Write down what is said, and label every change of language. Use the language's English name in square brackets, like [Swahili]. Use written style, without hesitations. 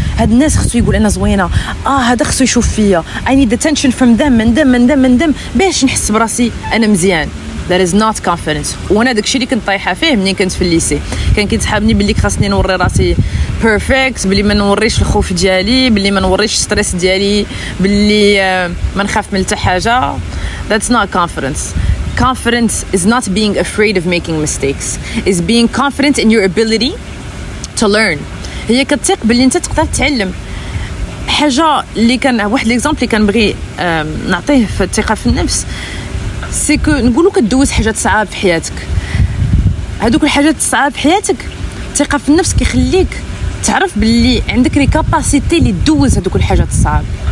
[Arabic] هاد الناس خصو يقول انا زوينه, اه هذا خصو يشوف فيا, [English] I need attention from them من them [Arabic] من ذم من ذم باش نحس براسي انا مزيان. [English] That is not confidence. [Arabic] وانا داكشي اللي كنت طايحه فيه ملي كنت في الليسي. كان كيتحابني بلي خاصني نوري راسي بيرفكت, بلي ما نوريش الخوف ديالي, بلي ما نوريش ستريس ديالي, بلي ما نخاف من حتى حاجه. [English] That's not confidence. Confidence is not being afraid of making mistakes. It's being confident in your ability to learn. [Arabic] هي كتثق بلي انت تقدر تعلم. حاجه اللي كان واحد ليكزامبل اللي كنبغي نعطيه في الثقه في النفس سي كو نقولوا كدوز حاجات صعاب في حياتك. هذوك الحاجات الصعاب في حياتك الثقه في النفس كيخليك تعرف باللي عندك لي كاباسيتي اللي دوز هذوك الحاجات الصعاب.